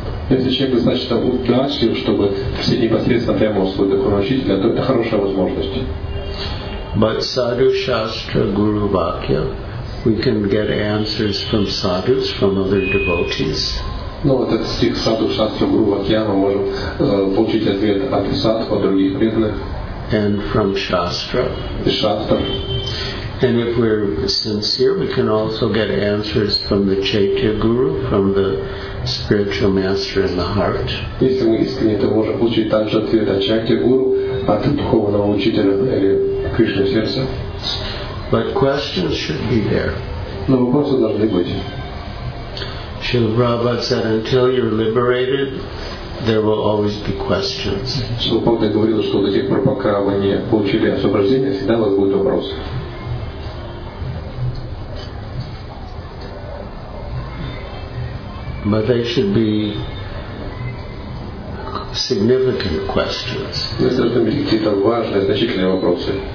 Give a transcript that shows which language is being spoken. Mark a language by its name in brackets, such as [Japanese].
[Russian] Если человек достаточно удачлив, чтобы все непосредственно прямо у своего духовного учителя, то это хорошая возможность. [English] But Sadhu Shastra Guru Vakya, we can get answers from sadhus, from other devotees. [Russian] Но вот этот стих Sadhu Shastra Guru Vakya, мы можем получить ответ от садху, от других преданных. [English] And from Shastra. [Russian] И Shastra. [English] And if we're sincere, we can also get answers from the Chaitya Guru, from the spiritual master in the heart. [Russian] Если мы искренне, то можем получить также ответ от Чайтья Гуру, от духовного учителя или Кришны сердца. [English] But questions should be there. [Russian] Но вопросы должны быть. [English] Srila Prabhupada said, until you're liberated, there will always be questions. [Russian] Шилопада говорил, что до тех пор, пока вы не получили освобождение, всегда у вас будут вопросы. [English] But they should be significant questions. [Russian] Это должны быть какие-то важные, значительные вопросы.